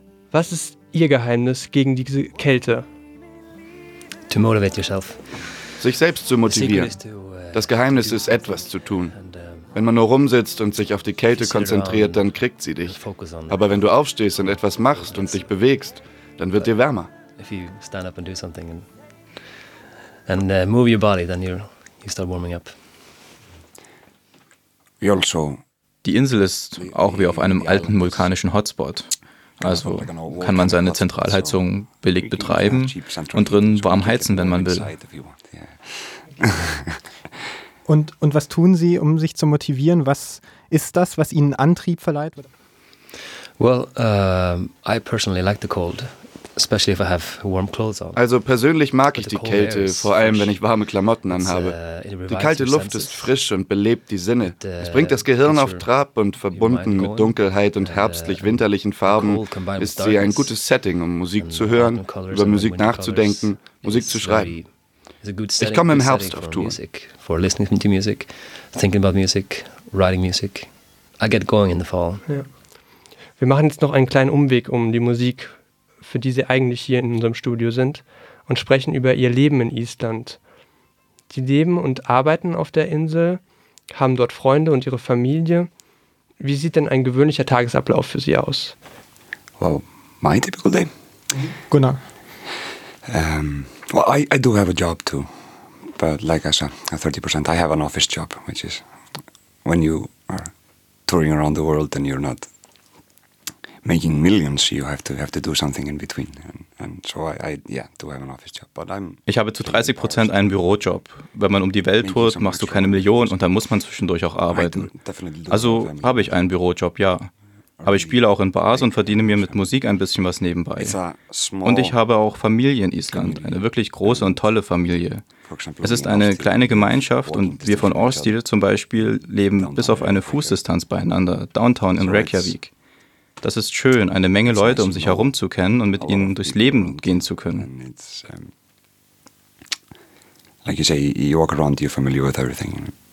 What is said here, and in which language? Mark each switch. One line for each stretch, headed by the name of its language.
German: Was ist Ihr Geheimnis gegen diese Kälte?
English: To motivate yourself.
German: Sich selbst zu motivieren. Das Geheimnis ist, etwas zu tun. Wenn man nur rumsitzt und sich auf die Kälte konzentriert, dann kriegt sie dich. Aber wenn du aufstehst und etwas machst und dich bewegst, dann wird dir wärmer.
English: If you stand up and do something and move your body, then you start warming up.
German: Die Insel ist auch wie auf einem alten vulkanischen Hotspot. Also kann man seine Zentralheizung billig betreiben und drin warm heizen, wenn man will. Und was tun Sie, um sich zu motivieren? Was ist das, was Ihnen Antrieb verleiht?
English: Well, I personally like the cold. Especially if I have warm clothes on.
German: Also persönlich mag ich die Kälte, vor allem wenn ich warme Klamotten anhabe. Die kalte Luft ist frisch und belebt die Sinne. Es bringt das Gehirn auf Trab und verbunden mit Dunkelheit und herbstlich-winterlichen Farben ist sie ein gutes Setting, um Musik zu hören, über Musik nachzudenken, Musik zu schreiben. Ich komme im Herbst auf Tour.
English: For listening to music, thinking about music, writing music. I get going in the fall.
German: Wir machen jetzt noch einen kleinen Umweg um die Musik, für die sie eigentlich hier in unserem Studio sind, und sprechen über ihr Leben in Island. Sie leben und arbeiten auf der Insel, haben dort Freunde und ihre Familie. Wie sieht denn ein gewöhnlicher Tagesablauf für sie aus?
English: Well, my typical day. Gunnar. I do have a job too. But like I said, 30%, I have an office job, which is when you are touring around the world and you're not making millions, you have to do something in between. And so I do have an office job. But I'm
German: ich habe zu 30% einen Bürojob. Wenn man um die Welt tourt, machst du keine Millionen und dann muss man zwischendurch auch arbeiten. Also habe ich einen Bürojob, ja. Aber ich spiele auch in Bars und verdiene mir mit Musik ein bisschen was nebenbei. Und ich habe auch Familie in Island, eine wirklich große und tolle Familie. Es ist eine kleine Gemeinschaft und wir von Austil zum Beispiel leben bis auf eine Fußdistanz beieinander, downtown in Reykjavik. Das ist schön, eine Menge Leute um sich herum zu kennen und mit ihnen durchs Leben gehen zu können.
English: Like you say, you walk around, you're familiar with everything.